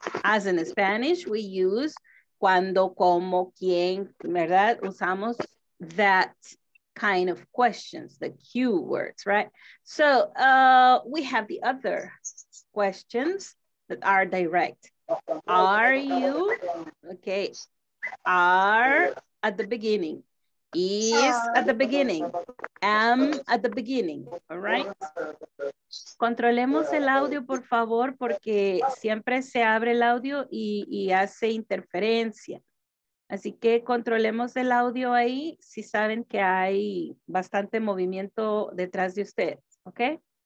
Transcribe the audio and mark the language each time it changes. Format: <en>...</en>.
<en>As in Spanish, we use cuando, como, quién, ¿verdad? Usamos that kind of questions, the Q words, right? So we have the other questions that are direct. Are you, okay, are at the beginning. Is at the beginning, am at the beginning, all right?</en> <es>Controlemos el audio, por favor, porque siempre se abre el audio y hace interferencia. Así que controlemos el audio ahí si saben que hay bastante movimiento detrás de ustedes, ¿ok?</es>